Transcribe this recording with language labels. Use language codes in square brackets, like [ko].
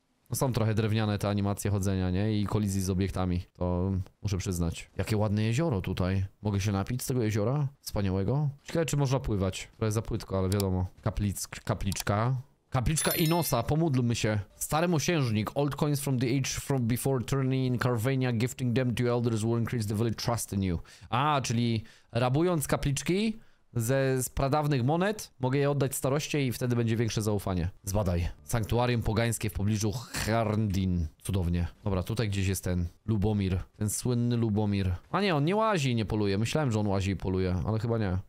[pl] No są trochę drewniane te animacje chodzenia, nie? I kolizji z obiektami. To muszę przyznać. Jakie ładne jezioro tutaj. Mogę się napić z tego jeziora? Wspaniałego. Ciekawe, czy można pływać. Trochę za płytko, ale wiadomo. Kapliczka. Kapliczka Inosa, pomódlmy się. Stary mosiężnik. [en] Old coins from the age from before tyranny in Carvania, gifting them to elders will increase the village trust in you. [pl] A, czyli rabując kapliczki z pradawnych monet, mogę je oddać staroście i wtedy będzie większe zaufanie. Zbadaj. Sanktuarium pogańskie w pobliżu Hrandin. Cudownie. Dobra, tutaj gdzieś jest ten Lubomir. Ten słynny Lubomir. A nie, on nie łazi i nie poluje. Myślałem, że on łazi i poluje, ale chyba nie.